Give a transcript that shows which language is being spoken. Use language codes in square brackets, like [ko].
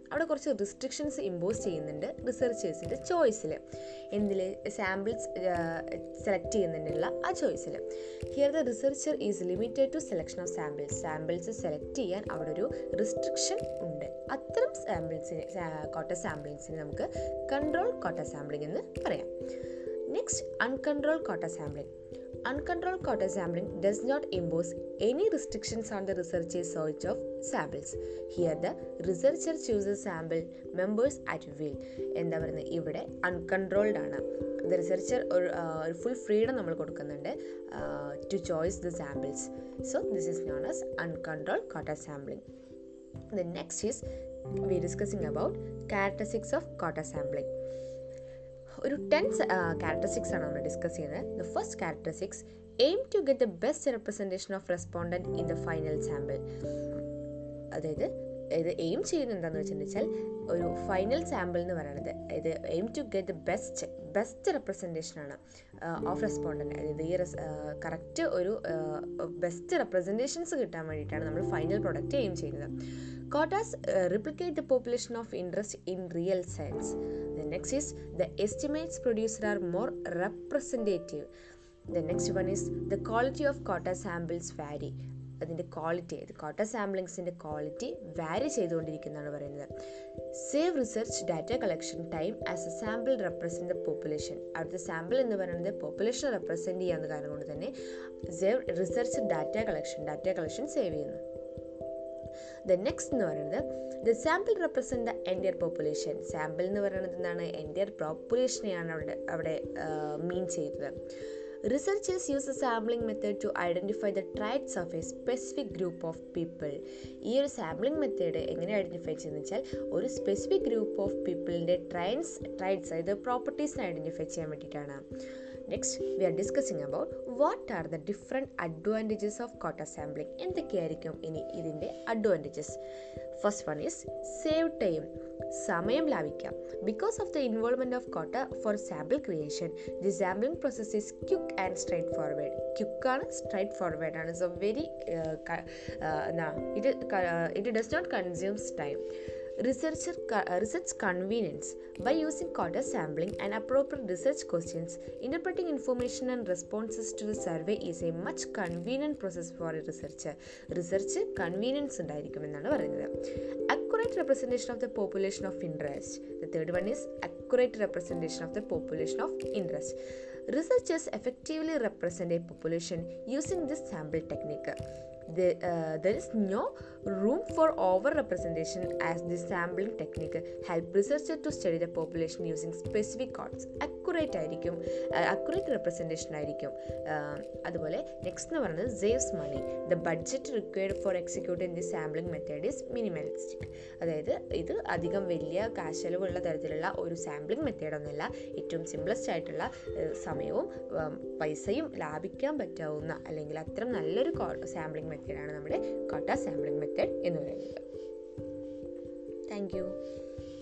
[ml] അവിടെ കുറച്ച് restrictions impose ചെയ്യുന്നുണ്ട് റിസർച്ചേഴ്സിൻ്റെ ചോയ്സിൽ, എന്തിൽ സാമ്പിൾസ് സെലക്ട് ചെയ്യുന്നുണ്ടുള്ള ആ ചോയ്സിൽ. [en] Here the researcher is limited to selection of samples. [ml] Samples select ചെയ്യാൻ അവിടെ ഒരു റിസ്ട്രിക്ഷൻ ഉണ്ട്. അത്തരം സാമ്പിൾസിന്, ക്വാട്ട സാമ്പിൾസിന് നമുക്ക് കൺട്രോൾഡ് ക്വാട്ട സാമ്പിളിംഗ് എന്ന് പറയാം. [en] Next, uncontrolled quota sampling. Uncontrolled quota sampling does not impose any restrictions on the researcher's search of samples. Here the researcher chooses sample members at will. [ml] എന്താ പറയുന്നത്, ഇവിടെ uncontrolled ആണ്. The researcher ഒരു full freedom നമ്മൾ കൊടുക്കുന്നുണ്ട് [en] To choice the samples. So this is known as uncontrolled quota sampling. The next is we discussing about characteristics of quota sampling. [ml] ഒരു 10 characteristics ആണ് നമ്മൾ ഡിസ്കസ് ചെയ്യുന്നത്. [en] The first characteristics, aim to get the best representation of respondent in the final sample. [ml] അതായത് ഇത് aim ചെയ്യുന്നെന്താണെന്ന് വെച്ചിട്ടുണ്ടെച്ചാൽ, ഒരു final sample എന്ന് പറയുന്നത് അതായത് [en] aim to get the best representation [ml] ആണ് ഓഫ് റെസ്പോണ്ടൻറ്റ്. അതായത് ഈ കറക്റ്റ് ഒരു ബെസ്റ്റ് റെപ്രസെൻറ്റേഷൻസ് കിട്ടാൻ വേണ്ടിയിട്ടാണ് നമ്മൾ ഫൈനൽ പ്രൊഡക്റ്റ് എയിം ചെയ്യുന്നത്. [en] Quotas replicate the population of interest in real sense. The next is the estimates produced are more representative. The next one is the quality of quota samples vary. [ml] അതിൻ്റെ quality, അത് quota സാമ്പിളിങ്സിൻ്റെ quality വാരി ചെയ്തുകൊണ്ടിരിക്കുന്നതാണ് പറയുന്നത്. [en] Save research data collection time as a sample represent the population. [ml] അടുത്ത sample എന്ന് പറയുന്നത് population represent ചെയ്യാവുന്ന കാരണം കൊണ്ട് തന്നെ save research data collection save ചെയ്യുന്നു. [en] the next [ml] എന്ന് പറയുന്നത് [en] The sample represent the entire population. [ml] Sample എന്ന് പറയുന്നത് എന്താണ്, എൻ്റയർ പോപ്പുലേഷനെയാണ് അവിടെ മീൻ ചെയ്യുന്നത്. [en] Researchers use a sampling method to identify the traits of a specific group of people. [ml] ഈ ഒരു സാമ്പിളിംഗ് മെത്തേഡ് എങ്ങനെ ഐഡൻറ്റിഫൈ ചെയ്യുന്നത് വെച്ചാൽ, ഒരു സ്പെസിഫിക് ഗ്രൂപ്പ് ഓഫ് പീപ്പിളിൻ്റെ ട്രൈറ്റ്സ് അതായത് പ്രോപ്പർട്ടീസിനെ ഐഡൻറ്റിഫൈ ചെയ്യാൻ വേണ്ടിയിട്ടാണ്. [en] Next we are discussing about what are the different advantages of quota sampling. [ml] എന്തൊക്കെയായിരിക്കും ഇനി ഇതിൻ്റെ advantages? [en] first one is save time, [ml] സമയം ലാഭിക്കാം. [en] Because of the involvement of quota for sample creation, the sampling process is quick and straightforward. [ml] ക്യുക്കാണ്, straight forward ആണ്. [en] So very എന്നാ it does not consumes time. Research convenience. By using quota sampling and appropriate research questions, interpreting information and responses to the survey is a much convenient process for a researcher. [ml] Research convenience ഉണ്ടായിരിക്കുമെന്നാണ് പറയുന്നത്. [en] Accurate representation of the population of interest. The third one is accurate representation of the population of interest. Researchers effectively represent a population using this sample technique. There is no room for over-representation as this sampling technique help researcher to study the population using specific quotas. [ml] Accurate representation ആയിരിക്കും. അതുപോലെ next എന്ന് പറയുന്നത് saves money. [en] The budget required for executing the sampling method is minimalistic. [ml] അതായത് ഇത് അധികം വലിയ കാശ് ചെലവുള്ള തരത്തിലുള്ള ഒരു സാമ്പിളിംഗ് മെത്തേഡൊന്നുമല്ല. ഏറ്റവും സിംപ്ലസ്റ്റ് ആയിട്ടുള്ള സമയവും പൈസയും ലാഭിക്കാൻ പറ്റാവുന്ന അല്ലെങ്കിൽ അത്രയും നല്ലൊരു സാമ്പിളിംഗ് മെത്തേഡാണ് നമ്മുടെ ക്വാട്ട സാമ്പിളിംഗ് മെത്തേഡ് എന്ന് പറയുന്നത്. [en] Thank you.